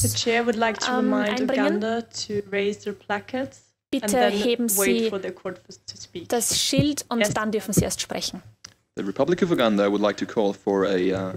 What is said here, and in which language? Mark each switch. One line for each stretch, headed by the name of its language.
English: The chair would like to remind Uganda to raise their placards.
German: Bitte heben Sie das Schild und dann dürfen Sie erst sprechen.
English: The Republic of Uganda would like to call for a